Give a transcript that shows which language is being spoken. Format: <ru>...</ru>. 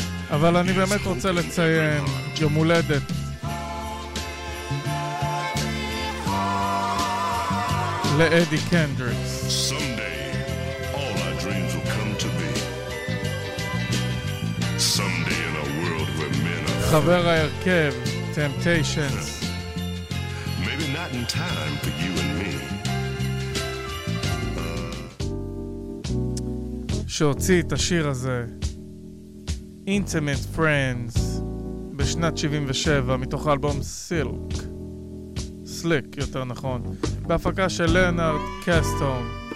<he>אבל אני באמת רוצה לציין יום הולדת לאדי קנדריקס.</he> <en>Someday all our dreams will come to be. Someday in a world where men are free.</en> <he>חבר ההרכב Temptations.</he> <en>Maybe not in time for you and me.</en> <he>שהוציא את השיר הזה Intimate Friends בשנת 77 מתוך האלבום Silk. Slick, יותר נכון. בהפקה של לנארד קסטון.</he>